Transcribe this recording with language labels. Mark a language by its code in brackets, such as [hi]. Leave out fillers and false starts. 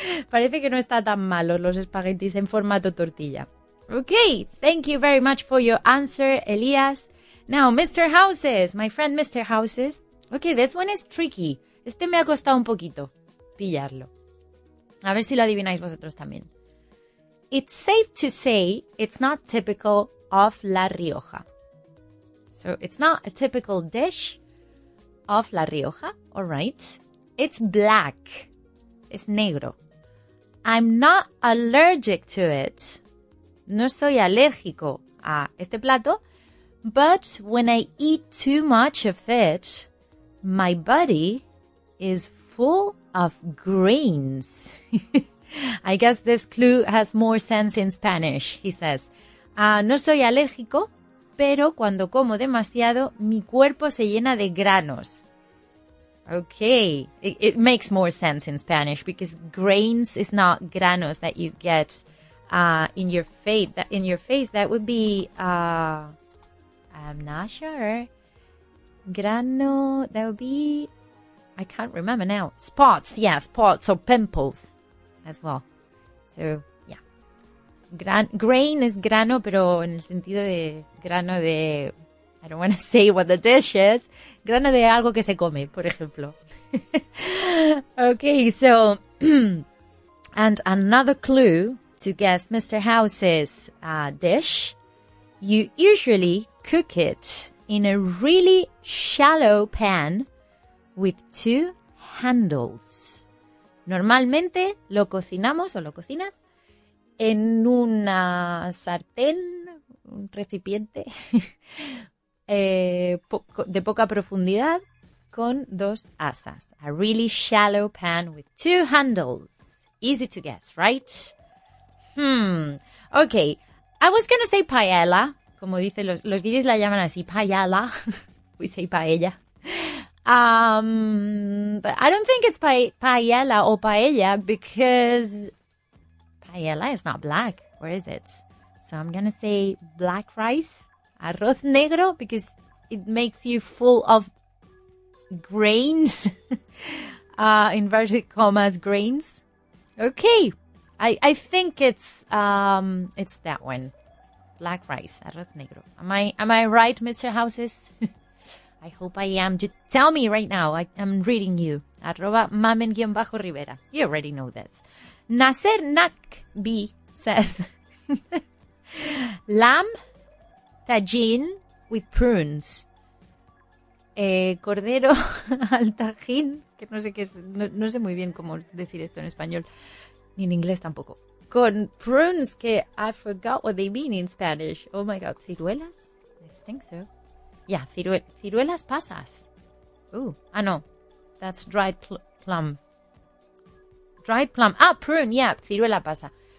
[es] Parece que no está tan malo los espaguetis en formato tortilla. [en] Okay, thank you very much for your answer, Elias. Now, Mr. Houses, my friend Mr. Houses. Okay, this one is tricky. [es] Este me ha costado un poquito pillarlo. A ver si lo adivináis vosotros también. [en] It's safe to say it's not typical of La Rioja. So it's not a typical dish of La Rioja, all right? It's black. It's negro. I'm not allergic to it. [es] No soy alérgico a este plato. [en] But when I eat too much of it, my body is full of grains. I guess this clue has more sense in Spanish, he says. [es] No soy alérgico, pero cuando como demasiado, mi cuerpo se llena de granos. [en] Okay, it makes more sense in Spanish because grains is not granos that you get in your face. That would be, I'm not sure. Grano, that would be, I can't remember now. Spots, yeah, spots or pimples. As well. So, yeah. Grain is [es] grano, pero en el sentido de grano de... [en] I don't want to say what the dish is. [es] Grano de algo que se come, por ejemplo. [en] Okay, so... And another clue to guess Mr. House's dish. You usually cook it in a really shallow pan with two handles. [es] Normalmente lo cocinamos o lo cocinas en una sartén, un recipiente de poca profundidad con dos asas. [en] A really shallow pan with two handles. Easy to guess, right? Okay, I was going to say paella. [es] Como dicen los guiris, la llaman así, paella. [en] We say paella. But I don't think it's paella or paella because paella is not black. Where is it? So I'm going to say black rice, [es] arroz negro, [en] because it makes you full of grains, inverted commas, grains. Okay, I think it's that one, black rice, [es] arroz negro. [en] Am I right, Mr. Houses? I hope I am. Just tell me right now. I'm reading you. @mamen_rivera. You already know this. Nacer Nakbi says, lamb tajin with prunes. [es] Cordero al tajin. Que no sé qué es. No sé muy bien cómo decir esto en español. Ni en inglés tampoco. Con prunes, que [en] I forgot what they mean in Spanish. Oh my God. [es] ¿Ciruelas? [en] I think so. Yeah, [es] ciruelas pasas. [en] Ooh, I know. That's dried plum. Dried plum. Ah, prune, yeah, [es] ciruela pasa.